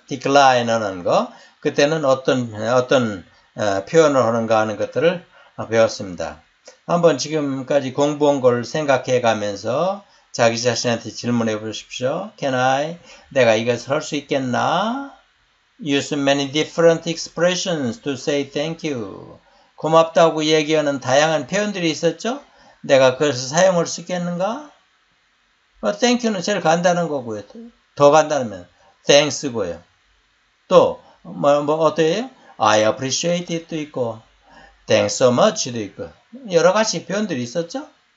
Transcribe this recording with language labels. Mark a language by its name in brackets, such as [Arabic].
[Korean] decline 하는 거. 그때는 어떤 표현을 하는가 하는 것들을 배웠습니다. 한번 지금까지 공부한 걸 생각해 가면서 자기 자신한테 질문해 보십시오. [English] Can I? [Korean] 내가 이것을 할수 있겠나? [English] Use many different expressions to say thank you. [Korean] 고맙다고 얘기하는 다양한 표현들이 있었죠? 내가 그것을 사용할 수 있겠는가? Thank you는 제일 간단한 거고요. 더 간단하면 thanks고요. 또, 어때요? [English] I appreciate it [Korean] 도 있고, [English] thanks so much [Korean] 도 있고, 여러 가지 표현들이 있었죠?